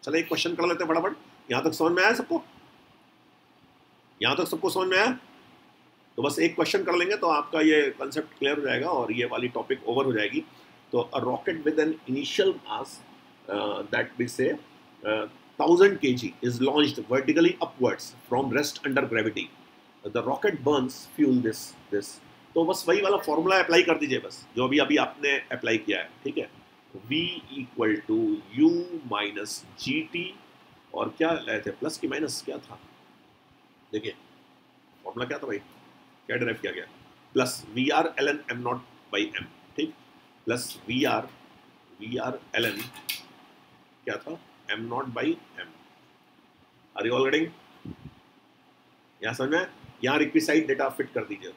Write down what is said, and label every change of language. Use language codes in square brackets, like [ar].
[hi] चलो एक क्वेश्चन कर लेते हैं फटाफट, यहाँ तक समझ में आया सबको, यहाँ तक सबको समझ में आया, तो बस एक क्वेश्चन कर लेंगे तो आपका ये कंसेप्ट क्लियर हो जाएगा और ये वाली टॉपिक ओवर हो जाएगी। [en] तो a rocket with an initial mass that we say 1000 kg is launched vertically upwards from rest under gravity. The rocket burns fuel this. [hi] तो बस वही वाला फॉर्मूला अप्लाई कर दीजिए बस, जो अभी अभी आपने अप्लाई किया है, ठीक है। [en] V equal to U minus GT, [hi] और क्या लाए थे, प्लस की माइनस क्या था, देखिए फॉर्मूला क्या था भाई, क्या डिराइव किया गया, plus we R L N am not by M, ठीक, plus we R L N क्या था, am not by M, [en] are you already, [hi] यहां समझ में, यहां रिक्विसाइट डेटा फिट कर दीजिए।